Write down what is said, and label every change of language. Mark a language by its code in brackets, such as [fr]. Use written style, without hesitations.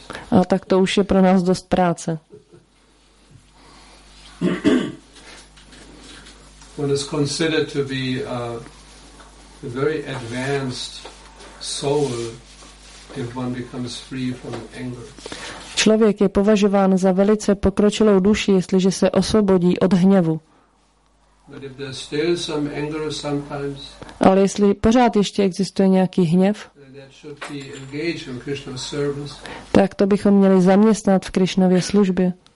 [cs] A tak to už je pro nás dost práce. [en] When it's considered to be a very advanced soul if one becomes free from anger. [cs] Člověk je považován za velice pokročilou duši, jestliže se osvobodí od hněvu. [en] But if there's still some anger sometimes, [cs] ale jestli pořád ještě existuje nějaký hněv, [en] that should be engaged in Krishna's service. [cs] Tak to bychom měli zaměstnat v Krishnově službě.